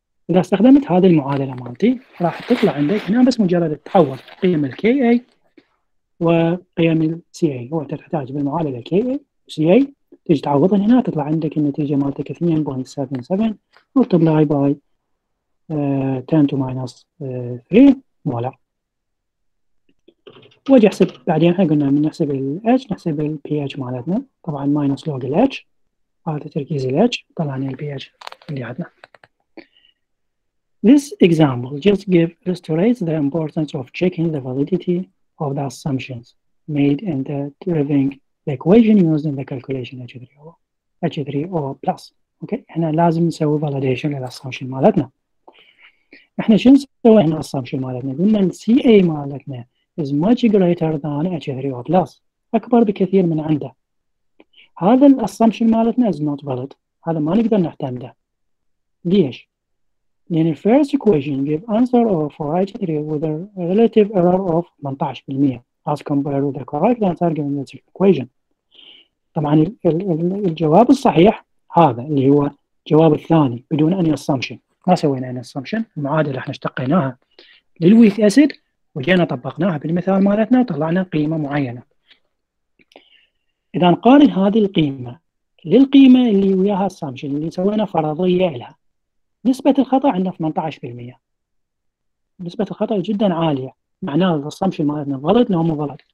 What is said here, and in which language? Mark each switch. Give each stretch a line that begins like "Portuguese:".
Arabic: إذا استخدمت هذه المعادلة مالتي راح تطلع عندك هنا بس مجرد تحول قيم الـ Ka وقيم الـ Ca، هو تحتاج بالمعادلة Ka و Ca تيجي تعوضهم هنا تطلع عندك النتيجة مالتك 2.77 multiply by 10 to minus 3 مولر. واجي احسب بعدين، احنا قلنا من نحسب ال H نحسب ال pH مالتنا، طبعا minus log ال H هذا تركيز ال H طلعنا ال pH اللي عندنا.
English: This example just give illustrates the importance of checking the validity of the assumptions made in the derivative the equation used in the calculation H3O plus.
Arabic: Okay, احنا لازم نسوي validation للassumption مالتنا. احنا شو نسوي هنا assumption مالتنا؟ قلنا ال CA مالتنا is much greater than H3O plus، اكبر بكثير من عنده. هذا الassumption مالتنا is not valid، هذا ما نقدر نعتمده.
English: ليش؟ لان ال first equation give answer of H3O with a relative error of 18% as compared with the correct answer given the second equation.
Arabic: طبعا الجواب الصحيح هذا اللي هو الجواب الثاني بدون any assumption. ما سوينا any assumption، المعادلة احنا اشتقيناها للويك اسيد وجينا طبقناها بالمثال مالتنا وطلعنا قيمة معينة. اذا نقارن هذه القيمة للقيمة اللي وياها assumption اللي سوينا فرضية لها، نسبة الخطأ عندنا 18%، نسبة الخطأ جدا عالية، معناه الاسامشن مالتنا غلط لو مو غلط.